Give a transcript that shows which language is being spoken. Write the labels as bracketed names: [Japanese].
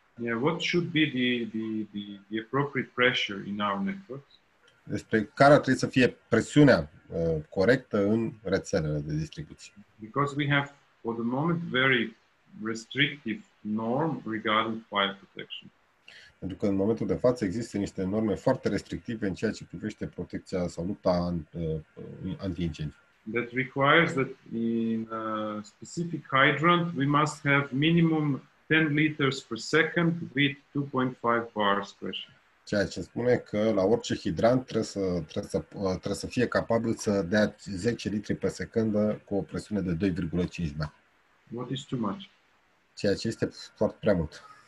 [English] Yeah, what should be the appropriate pressure in our network? [Romanian] Despre care trebuie să fie presiunea corectă în rețelele de distribuție. [English] Because we have for the moment very restrictive norm regarding fire protection. [Romanian] Pentru că în momentul de față există niște norme foarte restrictive în ceea ce privește protecția sau lupta anti-incendiu. [English] That requires that in a specific hydrant we must have minimum 10 liters per second with 2.5 bars pressure. [Romanian] Ceea ce spune că la orice hidrant trebuie să fie capabil să dea 10 litri pe secundă cu o presiune de 2.5 bar. [English] What is too much? [Romanian] Ceea ce este foarte prea mult.